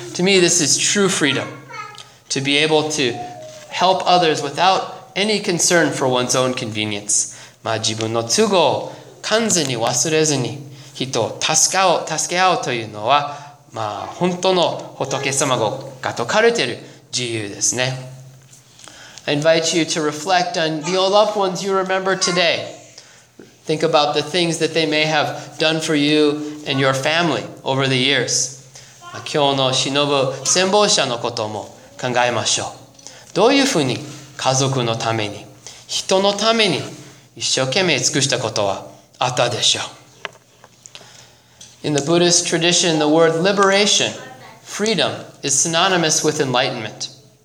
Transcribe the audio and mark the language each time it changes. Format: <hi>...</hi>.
<en>To me, this is true freedom. To be able to help others without any concern for one's own convenience.</en> <ja>自分の都合を完全に忘れずに人を助け合うというのは、本当の仏様が説かれている自由ですね。</ja> <en>I invite you to reflect on the loved ones you remember today. Think about the things that they may have done for you and your family over the years.</en> <ja>今日の忍ぶ先方者のことも考えましょう。どういうふうに家族のために、人のために一生懸命尽くしたことはあったでしょう。</ja> <en>In the Buddhist tradition, the word liberation, freedom, is synonymous with enlightenment.</en>